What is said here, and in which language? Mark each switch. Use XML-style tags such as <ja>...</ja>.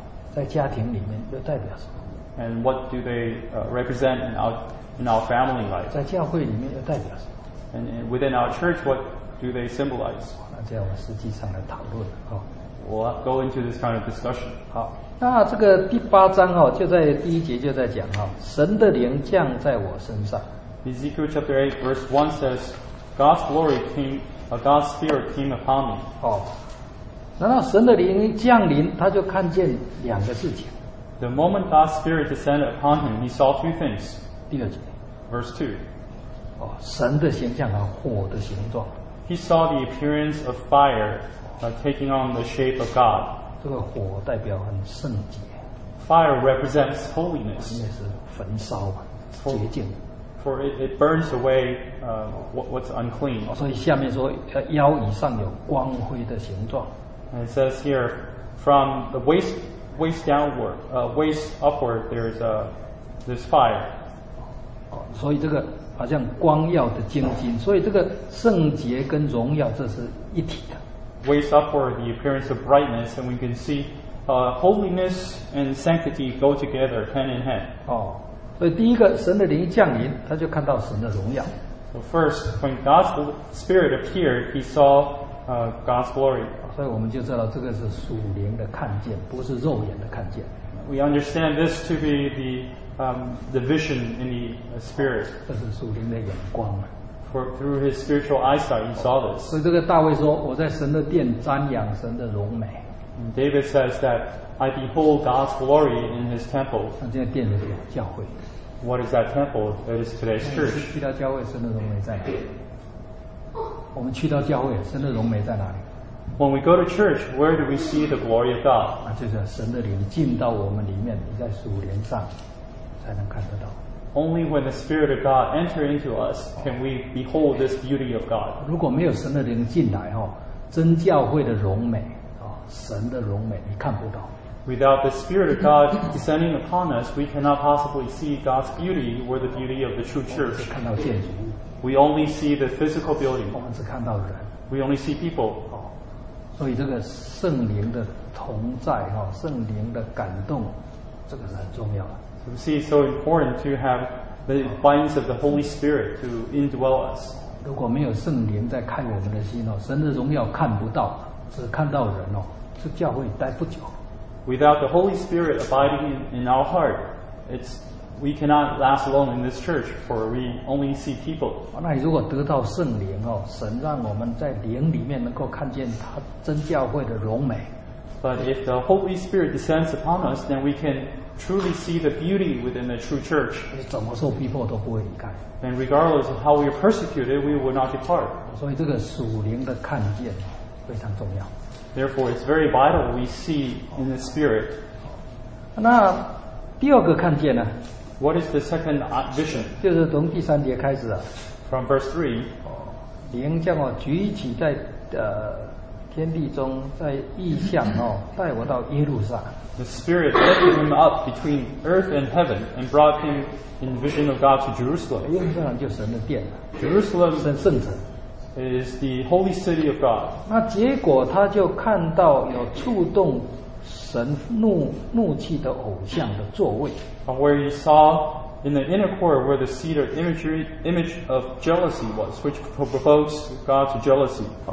<zh>在家庭里面又代表什么？</zh> <en>And what do they represent in our family life?</en> <zh>在教会里面又代表什么？</zh> <en>And within our church, what do they symbolize?</en> <zh>那这样我们实际上来讨论，哦。</zh> <en>We'll go into this kind of discussion.</en> <zh>好，那这个第八章哦，就在第一节就在讲哦，神的灵降在我身上。</zh> <en>Ezekiel chapter 8 verse 1 says, God's glory came, God's spirit came upon me.</en> <zh>然后神的灵降临，他就看见两个事情。</zh> <en>The moment God's spirit descended upon him, he saw two things.</en> <zh>第二节。</zh> <en>Verse 2.</en> <zh>神的形象和火的形状。</zh> <en>He saw the appearance of fire, taking on the shape of God.</en> <zh>这个火代表很圣洁。</zh> <en>Fire represents holiness.</en> <zh>那是焚烧嘛，洁净。</zh> <en>For it burns away what's unclean.</en> <zh>所以下面说，腰以上有光辉的形状。</zh> <en>And it says here, from the waist waist downward, waist upward, there is a this fire.</en> <zh>所以这个好像光耀的晶晶，所以这个圣洁跟荣耀这是一体的。</zh> <en>Waist upward, the appearance of brightness, and we can see, holiness and sanctity go together hand in hand.</en> <zh>哦，所以第一个神的灵降临，他就看到神的荣耀。</zh> <en>So first, when God's Spirit appeared, he saw, God's glory.</en> <zh>所以我们就知道这个是属灵的看见，不是肉眼的看见。</zh> <en>We understand this to be the, the vision in the Spirit.</en> <zh>这是属灵的眼光。</zh> <en>For, through his spiritual eyesight, he saw this.</en> <zh>所以这个大卫说，我在神的殿瞻仰神的荣美。</zh> <en>And David says that, I behold God's glory in his temple.</en> <zh>那这个殿是什么？教会。</zh> <en>What is that temple? It is today's church.</en> <zh>去到教会，神的荣美在哪里？我们去到教会，神的荣美在哪里？</zh> <en>When we go to church, where do we see the glory of God?</en> <zh>啊，就是神的灵进到我们里面，你在属灵上才能看得到。</zh> <en>Only when the Spirit of God enters into us can we behold this beauty of God.</en> <zh>如果没有神的灵进来，真教会的荣美，神的荣美你看不到。</zh> <en>Without the Spirit of God descending upon us, we cannot possibly see God's beauty or the beauty of the true church.</en> <zh>我们只看到建筑物。</zh> <en>We only see the physical building.</en> <zh>我们只看到人。</zh> <en>We only see people.</en> <zh>所以这个圣灵的同在，圣灵的感动，这个是很重要的。</zh> <en>So we see it's so important to have the bindings of the Holy Spirit to indwell us.</en> <zh>如果没有圣灵在开我们的心，神的荣耀看不到，只看到人，这教会待不久。</zh> <en>Without the Holy Spirit abiding in our heart, it's, we cannot last long in this church, for we only see people.</en> <zh>那如果得到圣灵，神让我们在灵里面能够看见他真教会的荣美。</zh> <en>But if the Holy Spirit descends upon us, then we can truly see the beauty within the true church.</en> <zh>怎么受逼迫都不会离开。</zh> <en>And regardless of how we are persecuted, we will not depart.</en> <zh>所以这个属灵的看见非常重要。</zh> <en>Therefore, it's very vital we see in the Spirit.</en> <zh>那第二个看见呢？</zh> <en>What is the second vision?</en> <zh>就是从第三节开始啊。</zh> <en>From verse 3.</en> <zh>灵将我举起在天地中，在异象带我到耶路撒。</zh> <en>The Spirit lifted him up between earth and heaven and brought him in vision of God to Jerusalem.</en> <zh>耶路撒就神的殿。</zh> <en>Jerusalem</en> <zh>是圣城。</zh> <en>Is the holy city of God.</en> <zh>那结果他就看到有触动神怒气的偶像的座位。</zh> <en>And where he saw in the inner court where the seat of imagery, image of jealousy was, which provokes God's jealousy.</en>